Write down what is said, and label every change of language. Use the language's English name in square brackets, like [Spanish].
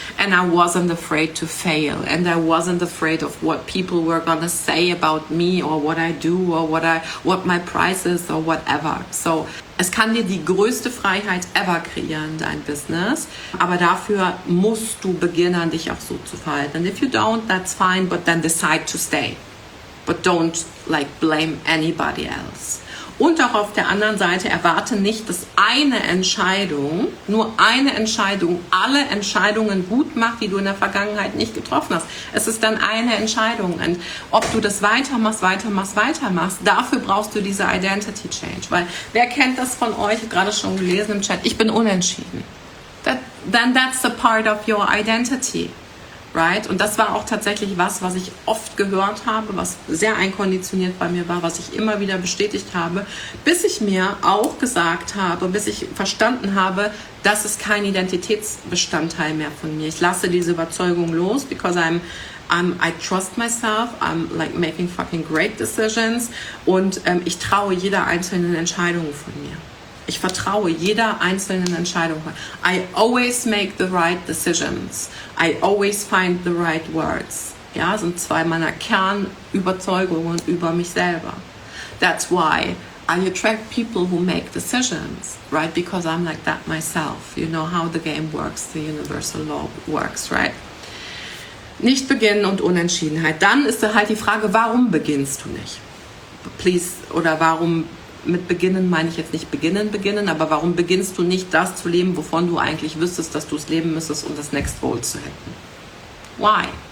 [English] And I wasn't afraid to fail. And I wasn't afraid of what people were gonna say about me or what I do or what my price is or whatever. [German] So, es kann dir die größte Freiheit ever kreieren, dein Business. Aber dafür musst du beginnen, dich auch so zu verhalten. [English] And if you don't, that's fine, but then decide to stay. But don't like blame anybody else. [German] Und auch auf der anderen Seite, erwarte nicht, dass eine Entscheidung, nur eine Entscheidung, alle Entscheidungen gut macht, die du in der Vergangenheit nicht getroffen hast. Es ist dann eine Entscheidung. Und ob du das weitermachst, dafür brauchst du diese Identity Change. Weil wer kennt das von euch, gerade schon gelesen im Chat, ich bin unentschieden. [English] Then that's a part of your identity. Right? [German] Und das war auch tatsächlich was ich oft gehört habe, was sehr einkonditioniert bei mir war, was ich immer wieder bestätigt habe, bis ich mir auch gesagt habe, bis ich verstanden habe, das ist kein Identitätsbestandteil mehr von mir. Ich lasse diese Überzeugung los, [English] because I trust myself, I'm like making fucking great decisions, [German] und ich traue jeder einzelnen Entscheidung von mir. Ich vertraue jeder einzelnen Entscheidung. [English] I always make the right decisions. I always find the right words. [German] Ja, sind zwei meiner Kernüberzeugungen über mich selber. [English] That's why I attract people who make decisions, right? Because I'm like that myself. You know how the game works, the universal law works, right? [German] Nicht beginnen und Unentschiedenheit. Dann ist da halt die Frage, warum beginnst du nicht? Please, oder warum? Mit Beginnen meine ich jetzt nicht Beginnen, aber warum beginnst du nicht das zu leben, wovon du eigentlich wüsstest, dass du es leben müsstest, um das Next Goal zu hätten? Why?